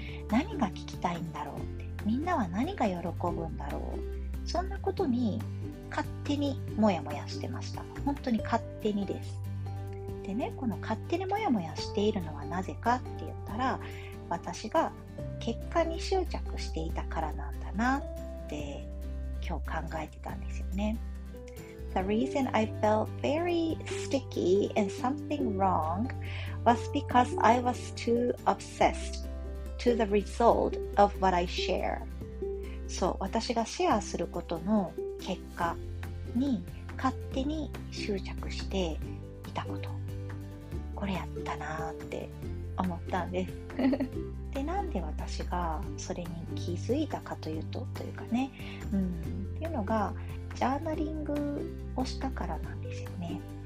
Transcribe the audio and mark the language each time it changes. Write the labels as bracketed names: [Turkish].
[Japanese] 何が聞きたいんだろうって、みんなは何が喜ぶんだろう、そんなことに勝手にモヤモヤしてました。本当に勝手にです。でね、この勝手にモヤモヤしているのはなぜかって言ったら、私が結果に執着していたからなんだなって今日考えてたんですよね。 [English] The reason I felt very sticky and something wrong was because I was too obsessed to the result of what I share. [Japanese] そう、私がシェアすることの結果に勝手に執着していたこと、これやったなって思ったんです。で、なんで私がそれに気づいたかというと、というかね、っていうのが、ジャーナリングをしたからなんですよね。